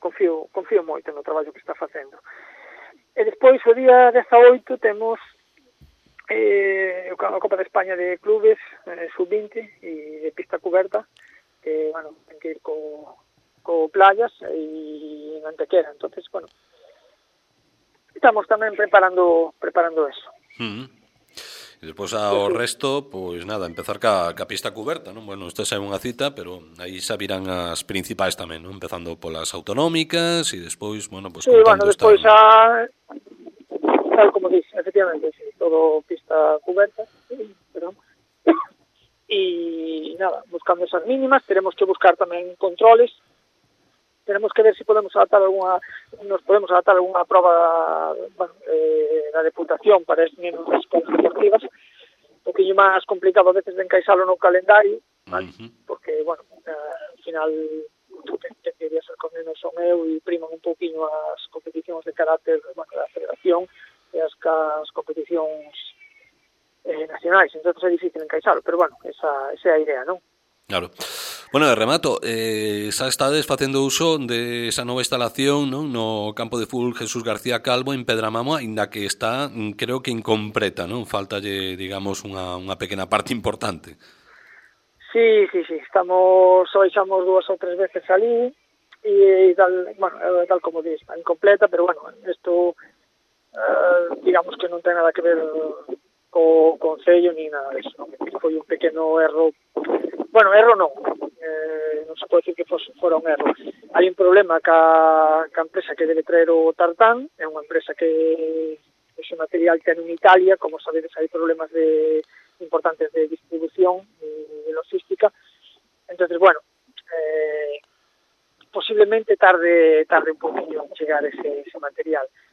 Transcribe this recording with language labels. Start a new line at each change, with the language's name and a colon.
Galician: Confío moito no traballo que está facendo. E despois, o día 18, temos a Copa de España de clubes, sub-20 e de pista coberta, que, bueno, ten que ir co Playas e en Antequera. Entonces, bueno, estamos tamén preparando eso. E despois ao resto, pois nada, empezar ca pista coberta, non? Bueno, esta xa é unha cita, pero aí xa virán as principais tamén, non? Empezando polas autonómicas e despois, bueno, pois
Spanish: contando. Sí, bueno, despois tal como dices, efectivamente, sí, todo pista cubierta, perdón. Y nada, buscando esas mínimas, tenemos que buscar también controles. Tenemos que ver si podemos adaptar alguna, nos podemos adaptar alguna prueba, bueno, la deputación para esas pruebas deportivas. Un poquillo más complicado a veces de encaixarlo en un calendario, ¿vale? Porque, bueno, al final, tendría que ser con menos son eu y priman un poquillo las competiciones de carácter, bueno, de la federación y las competiciones nacionales. Entonces es difícil encaixarlo, pero bueno, esa es la idea, ¿no? Claro.
Galician: Bueno, de remato, xa estades facendo uso de esa nova instalación, non? No campo de fútbol Jesús García Calvo en Pedramamo, ainda que está, creo que incompleta, non? Faltalle, digamos, unha pequena parte importante. Sí, sí, sí, estamos, xamos dúas ou tres veces ali, e tal, bueno, tal como dices, está incompleta, pero bueno, isto, digamos que non ten nada que ver co concello ni nada de eso, foi un pequeno erro. Bueno, erro non, non se pode decir que fora un erro. Hai un problema ca empresa que debe traer o tartán, é unha empresa que ese material ten en Italia, como sabedes, hai problemas de importantes de distribución e logística. Entonces, bueno, posiblemente tarde un poquinho en chegar ese material.